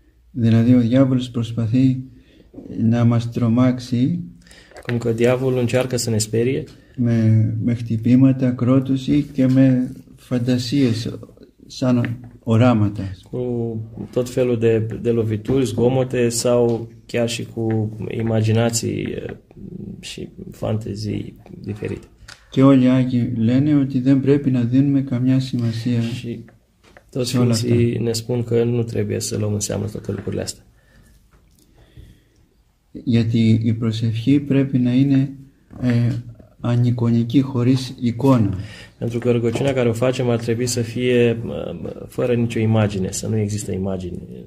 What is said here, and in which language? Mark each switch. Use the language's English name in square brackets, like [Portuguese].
[Greek] Δηλαδή, ο διάβολος προσπαθεί να μας τρομάξει. [Romanian] Cum că diavolul încearcă să ne sperie. [Greek] Με χτυπήματα, κρότωση και με φαντασίες, σαν οράματα. [Romanian] Cu tot felul de, de lovituri, zgomote sau chiar și cu imaginații și fantezii diferite. [Greek] Και όλοι οι Άγιοι λένε ότι δεν πρέπει να δίνουμε καμιά σημασία. [Romanian] Și toți Sfinții ne spun că nu trebuie să luăm în seamă toate lucrurile astea. [Greek] Γιατί η προσευχή πρέπει να είναι ανεικονική, χωρίς εικόνα. [Romanian] Pentru că rugăciunea care o facem ar trebui să fie fără nicio imagine, să nu există imagine.